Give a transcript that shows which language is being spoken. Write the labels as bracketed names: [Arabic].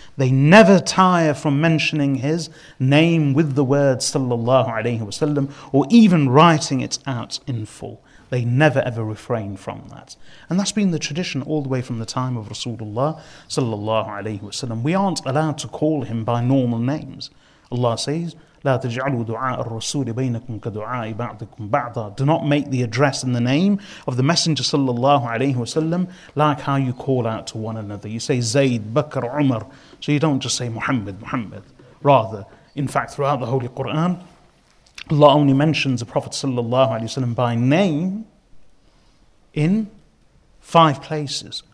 [English] They never tire from mentioning his name with the word sallallahu alayhi wasallam, or even writing it out in full. They never ever refrain from that. And that's been the tradition all the way from the time of Rasulullah sallallahu alayhi wasallam. We aren't allowed to call him by normal names. Allah says, [Arabic] لا تجعلوا دعاء الرسول بينكم كدعاء بعضكم بعضا. [English] Do not make the address and the name of the Messenger sallallahu alayhi wasallam like how you call out to one another. You say Zayd, Bakr, Umar. So you don't just say Muhammad. Rather, in fact, throughout the Holy Quran, Allah only mentions the Prophet sallallahu alayhi wasallam by name in five places.